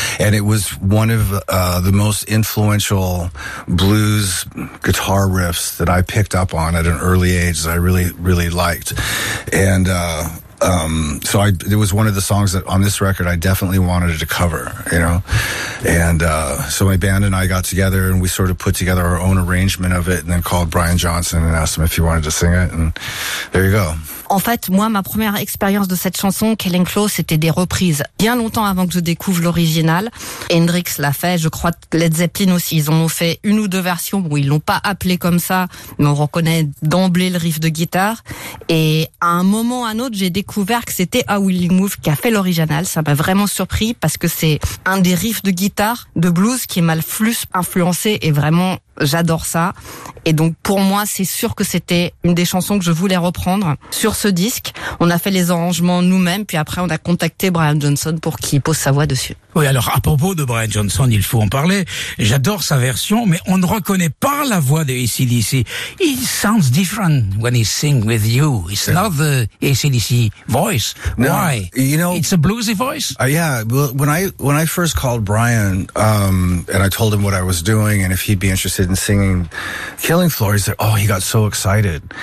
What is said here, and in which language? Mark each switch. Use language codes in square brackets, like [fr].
[en] And it was one of the most influential blues guitar riffs that I picked up on at an early age that I really, really liked. And it was one of the songs that on this record I definitely wanted to cover, you know. And so my band and I got together and we sort of put together our own arrangement of it and then called Brian Johnson and asked him if he wanted to sing it. And there you go. [fr] En fait, moi, ma première expérience de cette chanson, Killing Floor, c'était des reprises. Bien longtemps avant que je découvre l'original, Hendrix l'a fait, je crois Led Zeppelin aussi, ils ont fait une ou deux versions où ils l'ont pas appelé comme ça, mais on reconnaît d'emblée le riff de guitare. Et à un moment ou à un autre, j'ai découvert que c'était Howling Wolf qui a fait l'original. Ça m'a vraiment surpris parce que c'est un des riffs de guitare, de blues, qui m'a le plus influencé et vraiment... J'adore ça. Et donc, pour moi, c'est sûr que c'était une des chansons que je voulais reprendre sur ce disque. On a fait les arrangements nous-mêmes, puis après, on a contacté Brian Johnson pour qu'il pose sa voix dessus. Oui, alors, à propos de Brian Johnson, il faut en parler. J'adore sa version, mais on ne reconnaît pas la voix de AC/DC. [en] He sounds different when he sings with you. It's not the AC/DC voice. No, why? You know, it's a bluesy voice. Yeah, well, when I first called Brian, and I told him what I was doing, and if he'd be interested in singing Killing Floor, he said, oh, he got so excited.